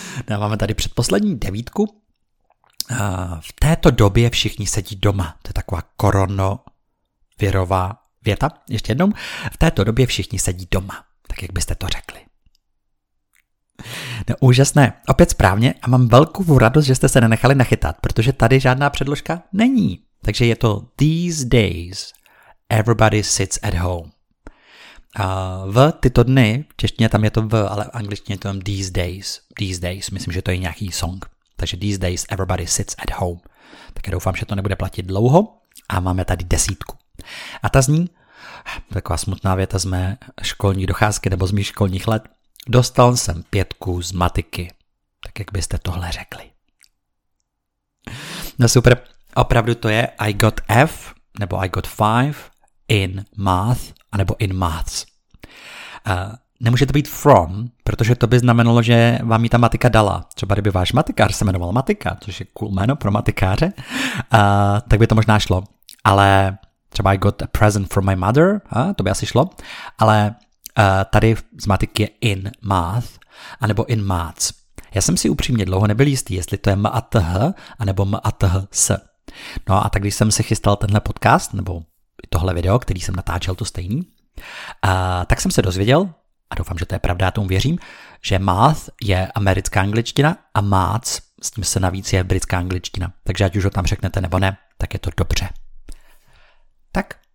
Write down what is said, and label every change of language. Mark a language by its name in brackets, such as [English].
[Czech] No a máme tady předposlední devítku. V této době všichni sedí doma, to je taková koronavirová věta, ještě jednou, v této době všichni sedí doma, tak jak byste to řekli. No úžasné, opět správně a mám velkou radost, že jste se nenechali nachytat, protože tady žádná předložka není. Takže [English] je to these days, everybody sits at home. [Czech] A v tyto dny, v češtině tam je to v, ale v angličtině je to [English] these days, [Czech] myslím, že to je nějaký song. Takže [English] these days, everybody sits at home. [Czech] Tak já doufám, že to nebude platit dlouho a máme tady desítku. A ta zní, taková smutná věta z mé školní docházky nebo z mých školních let, dostal jsem 5 z matiky, tak jak byste tohle řekli. No super, opravdu to je [English] I got F nebo I got 5 in math anebo in maths. [Czech] Nemůže to být from, protože to by znamenalo, že vám ji ta matika dala. Třeba kdyby váš matikář se jmenoval matika, což je cool jméno pro matikáře, tak by to možná šlo, ale... Třeba [English] I got a present from my mother, [Czech] a to by asi šlo, ale tady z matiky je in math, anebo in maths. Já jsem si upřímně dlouho nebyl jistý, jestli to je math, anebo maths. No a tak když jsem se chystal tenhle podcast, nebo tohle video, který jsem natáčel, to stejný, tak jsem se dozvěděl, a doufám, že to je pravda, já tomu věřím, že math je americká angličtina a maths, s tím se navíc je britská angličtina. Takže ať už ho tam řeknete nebo ne, tak je to dobře. Tak,